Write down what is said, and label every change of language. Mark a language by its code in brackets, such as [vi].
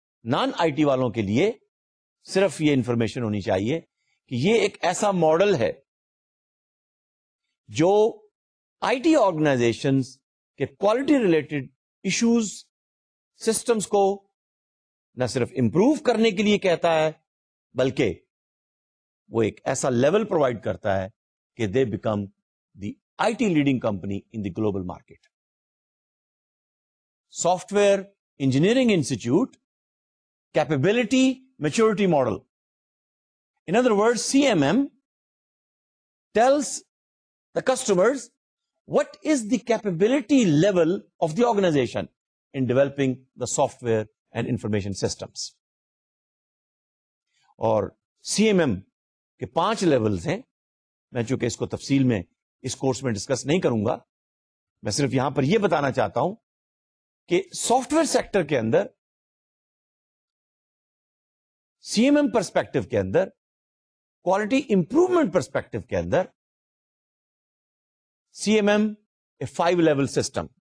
[ur] Naan I T والوں کے لیے صرف یہ انفارمیشن ہونی چاہیے کہ یہ ایک ایسا ماڈل ہے جو آئی ٹی آرگنائزیشن کے کوالٹی ریلیٹڈ ایشوز سسٹمس کو نہ صرف امپروو کرنے کے لیے کہتا ہے بلکہ وہ ایک ایسا لیول پرووائڈ کرتا ہے کہ [en] They become the I T leading company in the global market. [ur] Soft ware [en] Engineering institute capability maturity model. In other word C M M tells the customers what is the capability level of the organisation in developing the software and information systems. [ur] اور C M M کے پانچ levels ہیں, میں چونکہ اس کو تفصیل میں اس course میں ڈسکس نہیں کروں گا, میں صرف یہاں پر یہ بتانا چاہتا ہوں کہ سافٹ ویئر سیکٹر کے اندر سی ایم ایم پرسپیکٹو کے اندر کوالٹی امپروومنٹ پرسپیکٹو کے اندر سی ایم ایم اے فائیو لیول سسٹم.